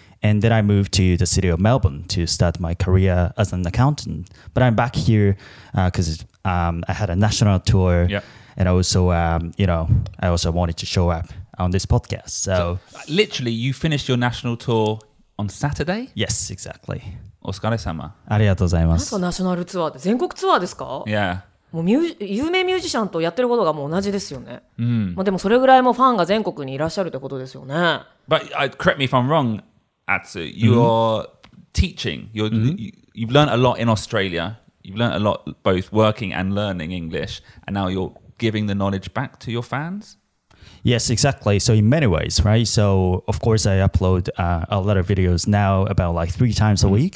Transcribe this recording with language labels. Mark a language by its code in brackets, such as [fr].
[en] And then I moved to the city of Melbourne to start my career as an accountant. But I'm back here because I had a national tour. Yeah. And also, you know, I also wanted to show up on this podcast. So, literally, you finished your national tour on Saturday? Yes, exactly. [ja] お疲れ様。ありがとうございます。ナショナルツアーって全国ツアーですか? [en] Yeah. [ja] もう有名ミュージシャンとやってることがもう同じですよね。 Mm. まあでもそれぐらいもファンが全国にいらっしゃるってことですよね。 [en] But correct me if I'm wrong, Atsu, you're teaching. You've learned a lot in Australia. You've learned a lot both working and learning English. And now you'reGiving the knowledge back to your fans? Yes, exactly. So in many ways, right? So of course I upload a lot of videos now about like 3 times a week.